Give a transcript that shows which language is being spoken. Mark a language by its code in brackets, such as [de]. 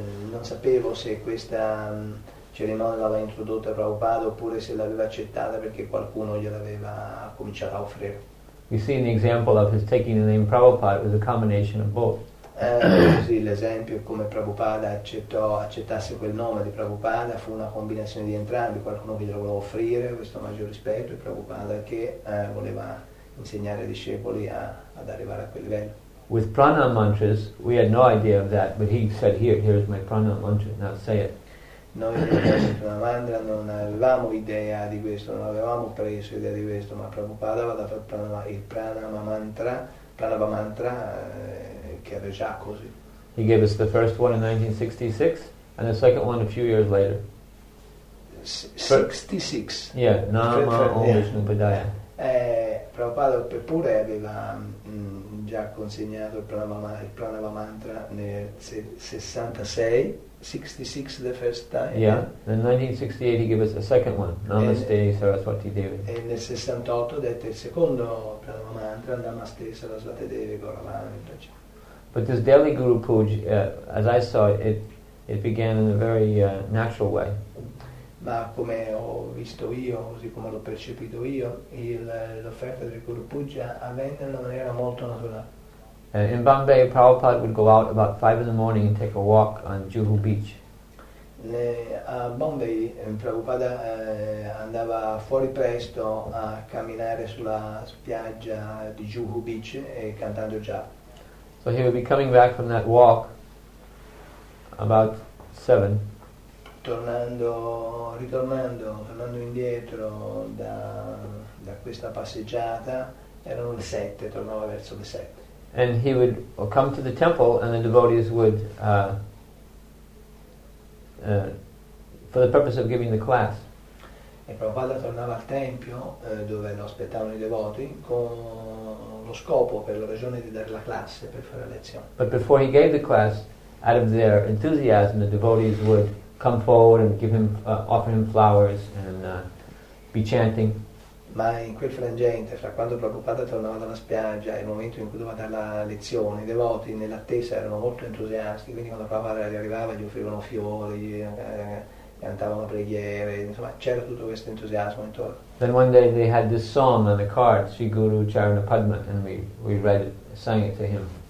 [it] non sapevo se questa cerimonia l'aveva introdotta Prabhupada oppure se l'aveva accettata perché qualcuno gliel'aveva cominciato a offrire. [en] You see, an example of his taking the name Prabhupada was a combination of both. [it] Così l'esempio è come Prabhupada accettasse quel nome di Prabhupada fu una combinazione di entrambi, qualcuno che glielo voleva offrire questo maggior rispetto e Prabhupada che voleva insegnare ai discepoli ad arrivare a quel livello. [en] With prana mantras we had no idea of that, but he said, here is my prana mantra, now say it. [it] Noi prana mantra non avevamo idea di questo, non avevamo preso idea di questo, ma Prabhupada aveva fatto il prana mantra che aveva già così. [en] He gave us the first one in 1966 and the second one a few years later. 66. Yeah, Nama Om Padaya. [it] Prabhupada pure aveva già consegnato il pranava mantra nel 66, 66 [en] the first time. Yeah, and in 1968 he gave us a second one, Namaste Saraswati Devi. [it] E nel 68 dette il secondo pranava mantra, Namaste Saraswati Devi Goravana. [en] But this daily Guru Puja, as I saw it, it began in a very natural way. [it] Ma come ho visto io, così come l'ho percepito io, l'offerta del Guru Puja avvenne in una maniera molto naturale. [en] In Bombay, Prabhupada would go out about 5 in the morning and take a walk on Juhu Beach. [it] A Bombay, Prabhupada andava fuori presto a camminare sulla spiaggia di Juhu Beach e cantando japa. [en] So he would be coming back from that walk about 7. [it] Tornando indietro da questa passeggiata, erano le 7, tornava verso le 7. [en] And he would come to the temple and the devotees would, for the purpose of giving the class. [it] E Prabhupada tornava al tempio dove lo aspettavano i devoti con lo scopo, per la ragione di dare la classe, per fare la lezione. [en] But before he gave the class, out of their enthusiasm, the devotees would come forward and give him, offer him flowers and be chanting. [it] Ma in quel frangente, fra quando Prabhupada tornava dalla spiaggia e il momento in cui doveva dare la lezione, i devoti nell'attesa erano molto entusiasti, quindi quando Prabhupada arrivava gli offrivano fiori, cantavano preghiere, insomma c'era tutto questo entusiasmo intorno. [en] Then one day they had this song on the card, Sri Guru Charanapadma, and we read it, sang it to him.